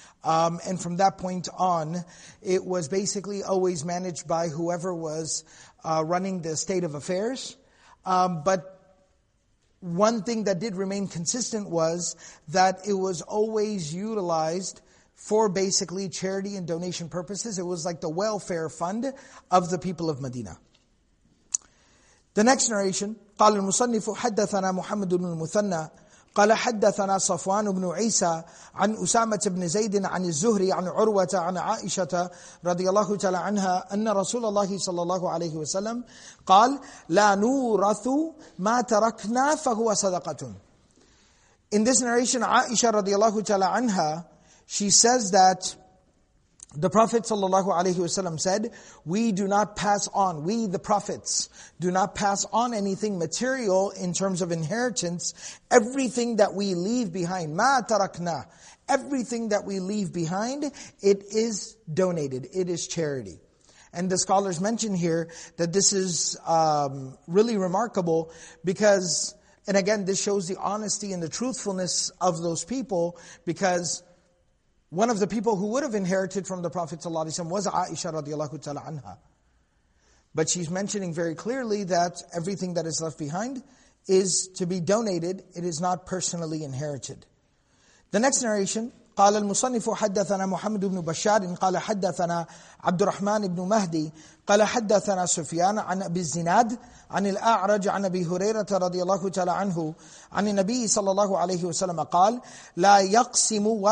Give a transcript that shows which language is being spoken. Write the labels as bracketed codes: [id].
[en] And from that point on, it was basically always managed by whoever was running the state of affairs. But one thing that did remain consistent was that it was always utilized for basically charity and donation purposes. It was like the welfare fund of the people of Medina. The next narration, [ar] قال المصنف حدثنا محمد بن المثنى قال حدثنا صفوان بن عيسى عن أسامة بن زيد عن الزهري عن عروة عن عائشة رضي الله تعالى عنها أن رسول الله صلى الله عليه وسلم قال لا نورث ما تركنا فهو صدقة. [en] In this narration, Aisha رضي الله تعالى عنها, she says that the Prophet صلى الله عليه وسلم said, we do not pass on, we the prophets, do not pass on anything material in terms of inheritance. Everything that we leave behind, [ar] ما تركنا, [en] everything that we leave behind, it is donated, it is charity. And the scholars mention here that this is really remarkable because, and again, this shows the honesty and the truthfulness of those people, because one of the people who would have inherited from the Prophet ﷺ was Aisha radiallahu ta'ala anha. But she's mentioning very clearly that everything that is left behind is to be donated, it is not personally inherited. The next narration, [ar] قال المصنف حدثنا محمد بن بشار قال حدثنا عبد الرحمن بن مهدي قال حدثنا سفيان عن أبي الزناد عن الأعرج عن أبي هريرة رضي الله تعالى عنه عن النبي صلى الله عليه وسلم قال لا يقسم